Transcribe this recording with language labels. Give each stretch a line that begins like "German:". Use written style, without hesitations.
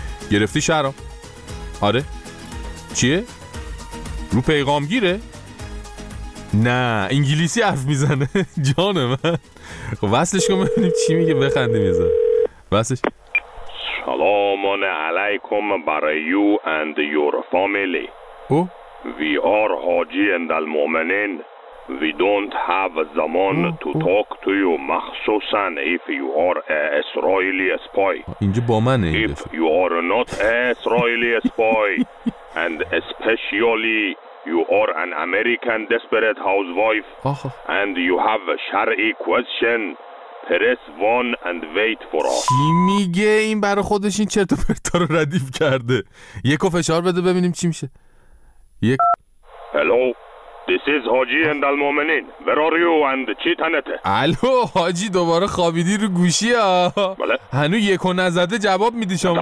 Persian: گرفتی شهرام؟ آره. چیه؟ رو پیغامگیره؟ نه انگلیسی حرف میزنه. جان من وصلش کن ببینیم چی میگه، بخنده میزنه وصلش.
English: سلام علیکم
Persian: برای
English: You and your family. Oh we are حاجی اندلمومنین. We don't have
Persian: زمان
English: to talk to you,
Persian: مخصوصا
English: if you are a Israeli spy.
Persian: اینجا با منه.
English: If you are not a Israeli spy and especially you are an American desperate housewife and you have a Shari question, press 1 and wait for us.
Persian: چی میگه این؟ برای خودش این چرت و پرتا رو ردیف کرده. یکو فشار بده ببینیم چی میشه. یک.
English: Hello. This is Haji and Al-Mu'minin. Where are you and
Persian: چی تنته؟ الو حاجی دوباره خوابیدی رو گوشی ها. بله. هنو یکو نزده جواب میدی شما.